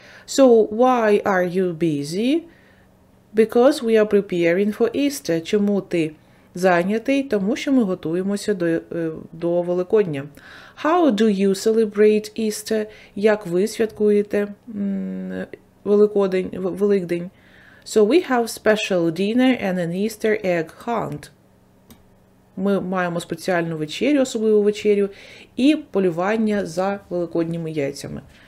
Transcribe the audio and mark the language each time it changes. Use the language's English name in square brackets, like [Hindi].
[English] So, why are you busy? Because we are preparing for Easter. [Ukrainian] Чому ти зайнятий? Тому що ми готуємося до Великодня. [English] How do you celebrate Easter? [Ukrainian] Як ви святкуєте Великдень? [English] So, we have special dinner and an Easter egg hunt. [Ukrainian] Ми маємо спеціальну вечерю, особливу вечерю, і полювання за великодніми яйцями.